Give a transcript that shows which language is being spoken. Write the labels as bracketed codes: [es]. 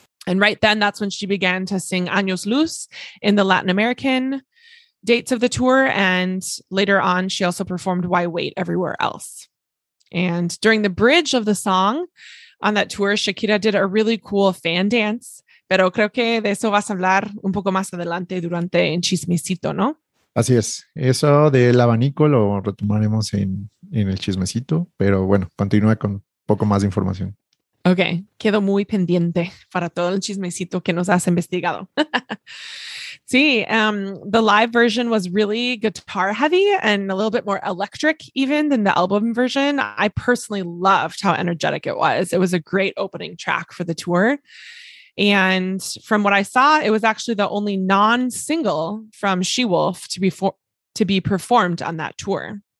[en] And right then, that's when she began to sing Años Luz in the Latin American dates of the tour. And later on, she also performed Why Wait everywhere else. And during the bridge of the song on that tour, Shakira did a really cool fan dance. [es] Pero creo que de eso vas a hablar un poco más adelante durante en Chismecito, ¿no? Así es. Eso del abanico lo retomaremos en el chismecito, pero bueno, continúa con poco más de información. Ok, quedo muy pendiente para todo el chismecito que nos has investigado. [en] Sí, the live version was really guitar heavy and a little bit more electric even than the album version. I personally loved how energetic it was. It was a great opening track for the tour. And from what I saw, it was actually the only non-single from She-Wolf to be performed on that tour.